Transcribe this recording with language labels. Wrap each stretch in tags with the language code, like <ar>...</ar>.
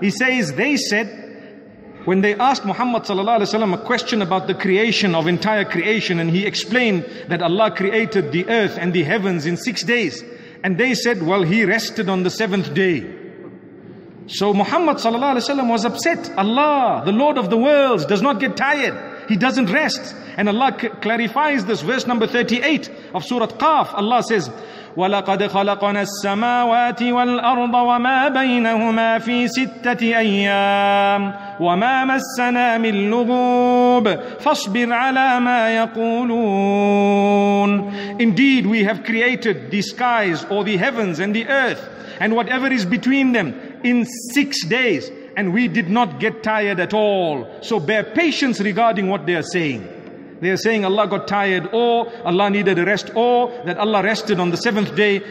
<en>He says, they said, when they asked Muhammad sallallahu alaihi wasallam a question about the creation of entire creation, and he explained that Allah created the earth and the heavens in 6 days, and they said, well, he rested on the seventh day. So Muhammad sallallahu alaihi wasallam was upset. Allah, the Lord of the worlds, does not get tired. He doesn't rest. And Allah clarifies this, verse number 38 of Surah Qaf.</en> <ar>Allah says, وَلَقَدْ خَلَقْنَا السَّمَاوَاتِ وَالْأَرْضَ وَمَا بَيْنَهُمَا فِي سِتَّةِ أَيَّامٍ وَمَا مَسَّنَا مِنْ لُغُوبٍ فَاصْبِرْ عَلَى مَا يَقُولُونَ.</ar> <en>Indeed, we have created the skies or the heavens and the earth and whatever is between them in 6 days, and we did not get tired at all. So bear patience regarding what they are saying. They are saying Allah got tired, or Allah needed a rest, or that Allah rested on the seventh day.</en>